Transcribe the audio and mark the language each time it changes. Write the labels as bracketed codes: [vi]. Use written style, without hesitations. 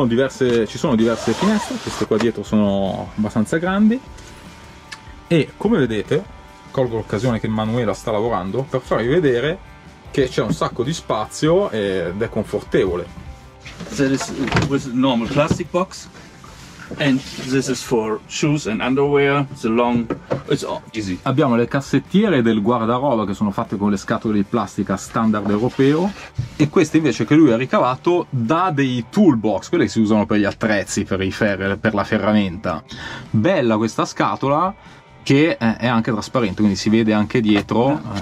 [it] Ci sono diverse finestre, queste qua dietro sono abbastanza grandi e come vedete, colgo l'occasione che Manuela sta lavorando per farvi vedere che c'è un sacco di spazio ed è confortevole. [en] That is with normal plastic box. And this is for shoes and underwear, the long, it's easy. [it] Abbiamo le cassettiere del guardaroba che sono fatte con le scatole di plastica standard europeo e queste invece che lui ha ricavato da dei toolbox, quelle che si usano per gli attrezzi, per la ferramenta. Bella questa scatola che è anche trasparente, quindi si vede anche dietro.